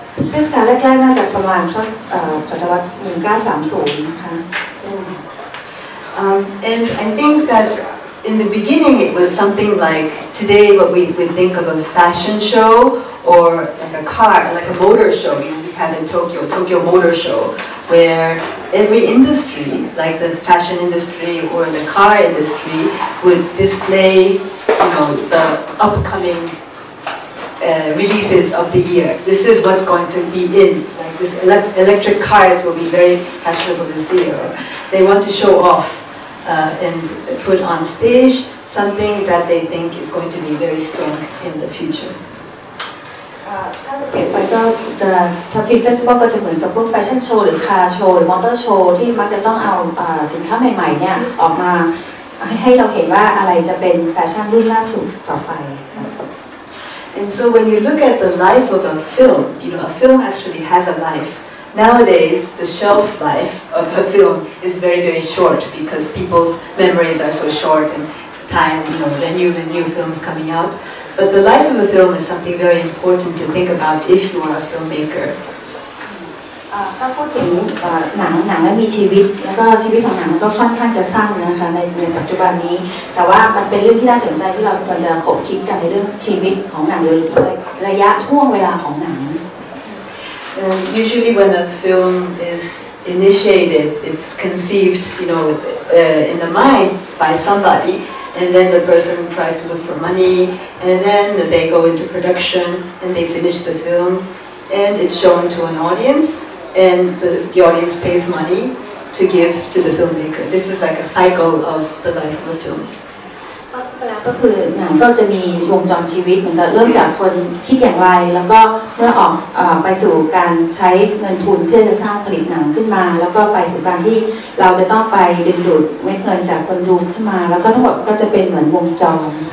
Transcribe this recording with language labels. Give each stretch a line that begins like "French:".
Thai: เทศกาลแรกๆน่าจะประมาณช่วงศตวรรษ1930นะคะ
English: And I think that in the beginning it was something like today what we would think of a fashion show. Or like a car, like a motor show we have in Tokyo, Tokyo Motor Show, where every industry, like the fashion industry or the car industry, would display, you know, the upcoming releases of the year. This is what's going to be in. Like this, electric cars will be very fashionable this year. They want to show off and put on stage something that they think is going to be very strong in the future.
Thai: ถ้าจะเปลี่ยนไปก็จะทัฟฟี่เฟสติวัลก็จะเหมือนกับพวกแฟชั่นโชว์หรือคาร์โชว์หรือมอเตอร์โชว์ที่มักจะต้องเอาสินค้าใหม่ๆเนี่ยออกมาให้เราเห็นว่าอะไรจะเป็นแฟชั่นรุ่นล่าสุดต่อไป
English: And so when you look at the life of a film, you know, a film actually has a life, nowadays the shelf life of a film is very very short because people's memories are so short and time, you know, the new films coming out. But the life of a film is something very important to think about if you are a filmmaker.
Thai: ถ้าพูดถึงหนังมีชีวิตแล้วก็ชีวิตของหนังมันก็ค่อนข้างจะสั้นนะคะในปัจจุบันนี้แต่ว่ามันเป็นเรื่องที่น่าสนใจที่เราควรจะขบคิดกันในเรื่องชีวิตของหนังโดยระยะช่วงเวลาของหนัง
English: Usually when a film is initiated it's conceived you know in the mind by somebody and then the person tries to look for money and then they go into production and they finish the filmand it's shown to an audience and the audience pays money to give to the filmmaker this is like a cycle of the life of a film
Thai: ก็คือหนังก็จะมีวงจรชีวิตเหมือนกันเริ่มจากคนคิดอย่างไรแล้วก็เมื่อออกไปสู่การใช้เงินทุนเพื่อจะสร้างผลิตหนังขึ้นมาแล้วก็ไปสู่การที่เราจะต้องไปดึงดูดเม็ดเงินจากคนดูขึ้นมาแล้วก็ทั้งหมดก็จะเป็นเหมือนวงจร